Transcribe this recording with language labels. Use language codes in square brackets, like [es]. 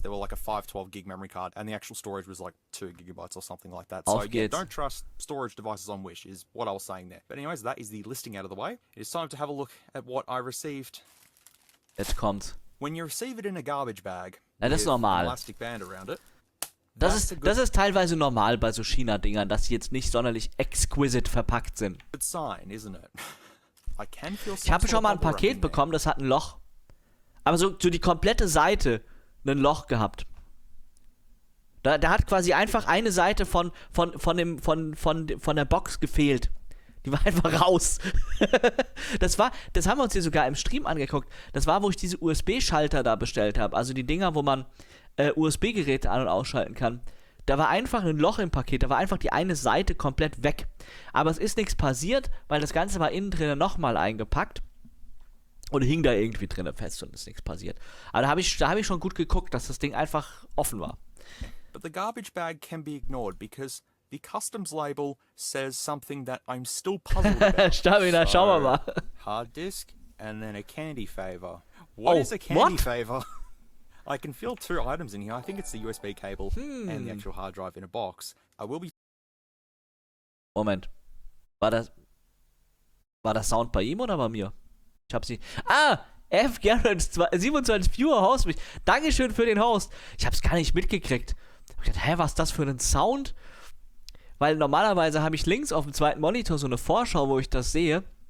[en] There were like a 512 gig memory card and the actual storage was like 2 gigabytes or something like that. [de] Auf so geht's. [en] Yeah, don't trust storage devices on Wish is what I was saying there. But anyways, that is the listing out of the way. It is time to have a look at what I received. [de] Jetzt kommt. [en] When you receive it in a garbage bag. [de] Na, das ist normal. [en] Plastic band around it. [de] Das ist teilweise normal bei so China-Dingern, dass sie jetzt nicht sonderlich exquisite verpackt sind. Ich habe schon mal ein Paket bekommen, das hat ein Loch. Aber so die komplette Seite ein Loch gehabt. Da hat quasi einfach eine Seite von der Box gefehlt. Die war einfach raus. Das haben wir uns hier sogar im Stream angeguckt. Das war, wo ich diese USB-Schalter da bestellt habe. Also die Dinger, wo man USB-Geräte an- und ausschalten kann. Da war einfach ein Loch im Paket. Da war einfach die eine Seite komplett weg. Aber es ist nichts passiert, weil das Ganze war innen drin nochmal eingepackt und hing da irgendwie drin fest und ist nichts passiert. Aber da hab ich schon gut geguckt, dass das Ding einfach offen war. [en] But the garbage bag can be ignored because the customs label says something that I'm still puzzled about. [de] Stamina, schauen wir mal. [en] Hard disk and then a candy favor. What is a candy favor? I can feel two items in here. I think it's the USB cable and the actual hard drive in a box. I will be. [de] Moment. War das Sound bei ihm oder bei mir? Ich hab sie. Ah! F. Garrett, 27 Viewer, host mich. Dankeschön für den Host. Ich hab's gar nicht mitgekriegt. Ich dachte, was ist das für ein Sound? Weil normalerweise habe ich links auf dem zweiten Monitor so eine Vorschau, wo ich das sehe.